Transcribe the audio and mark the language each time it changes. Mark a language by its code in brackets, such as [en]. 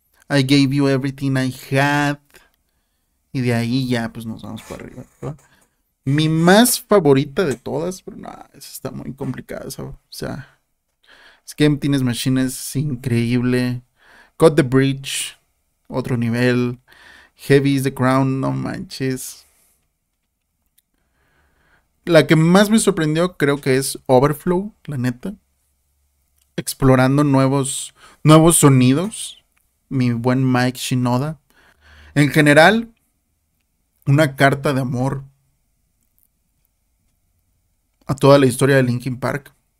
[en] I gave you everything I had. [es] Y de ahí ya, pues nos vamos para arriba, ¿verdad? Mi más favorita de todas, pero nada, esa está muy complicada, ¿sabes? O sea. Es que Emptiness Machine es increíble. Cut the Bridge, otro nivel. Heavy is the Crown, no manches. La que más me sorprendió creo que es Overflow, la neta. Explorando nuevos sonidos. Mi buen Mike Shinoda. En general, una carta de amor a toda la historia de Linkin Park.